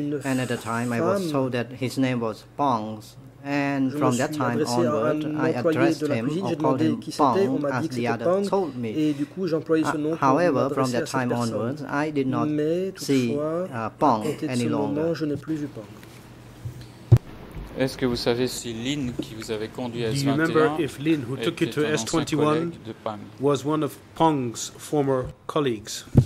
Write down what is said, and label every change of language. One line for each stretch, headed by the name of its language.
English: And at the time, I was told that his name was Pang. And from that time onward, I addressed him or called him Pang, as the other told me. However, from that time onwards, I did not see Pang any longer.
French: Est-ce que vous savez si Lynn qui vous avait conduit à S21?
English: Do you remember if Lynn, who took you to S21, was one of Pang's former colleagues?